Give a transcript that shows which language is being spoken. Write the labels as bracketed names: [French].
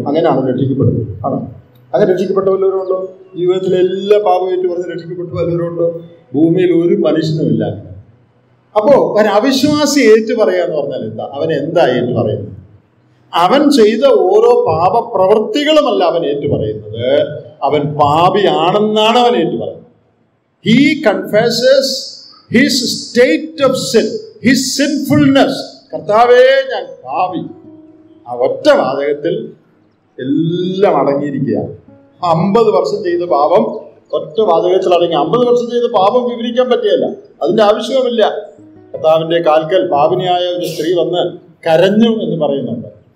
[Malayalam] അങ്ങനെയാണ് രക്ഷിക്കപ്പെടുന്നത്. ആണോ? അങ്ങനെ രക്ഷിക്കപ്പെട്ട വല്ലവരുണ്ടോ? ജീവിതത്തിൽ എല്ലാ പാപം ഏറ്റുപറഞ്ഞ് രക്ഷിക്കപ്പെട്ട വല്ലവരുണ്ടോ? ഭൂമിയിൽ ഒരു മനുഷ്യനും ഇല്ല. അപ്പോ ഒരു അവിശ്വാസി ഏറ്റുപറയാന്ന് പറഞ്ഞാൽ എന്താ? അവൻ എന്താ ഏറ്റുപറയുന്നത്? അവൻ ചെയ്ത ഓരോ പാപ പ്രവൃത്തികളുമല്ല അവൻ ഏറ്റുപറയുന്നത്, അവൻ പാപിയാണെന്നാണ് അവൻ ഏറ്റുപറയുന്നത്. [English] He confesses his state of sin, his sinfulness. [Malayalam] കർത്താവേ, ഞാൻ പാപി. ആ ഒറ്റ വാചകത്തിൽ എല്ലാം അടങ്ങിയിരിക്കുക. 50 വർഷം ചെയ്ത പാപം ഒറ്റ വാചകത്തിൽ അടങ്ങി. 50 വർഷം ചെയ്ത പാപം വിവരിക്കാൻ പറ്റിയല്ല, അതിന്റെ ആവശ്യവുമില്ല. കർത്താവിന്റെ കാൽക്കൽ പാപിനിയായ ഒരു സ്ത്രീ വന്ന് കരഞ്ഞു എന്ന് പറയുന്നുണ്ട്.